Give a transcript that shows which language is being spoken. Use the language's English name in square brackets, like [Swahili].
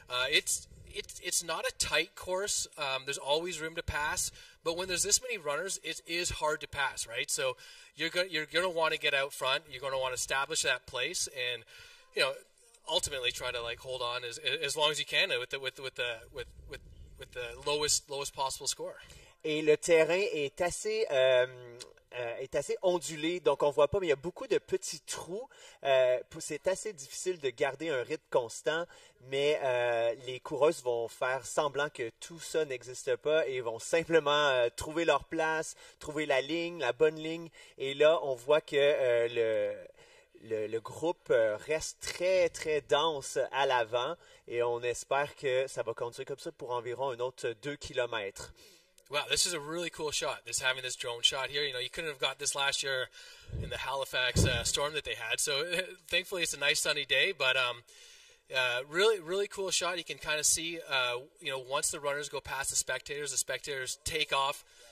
[English] It's not a tight course. There's always room to pass. But when there's this many runners, it is hard to pass, right? So you're going to want to get out front. You're going to want to establish that place and, you know, ultimately try to, like, hold on as long as you can with the lowest possible score. [French] Et le terrain est assez est assez ondulé, donc on voit pas, mais il y a beaucoup de petits trous. C'est assez difficile de garder un rythme constant, mais les coureuses vont faire semblant que tout ça n'existe pas et vont simplement trouver leur place, trouver la ligne, la bonne ligne. Et là, on voit que le groupe reste très, très dense à l'avant et on espère que ça va continuer comme ça pour environ un autre 2 km. [English] Wow, this is a really cool shot, this having this drone shot here. You know, you couldn't have got this last year in the Halifax storm that they had. So, thankfully, it's a nice sunny day. But really, really cool shot. You can kind of see, you know, once the runners go past the spectators take off.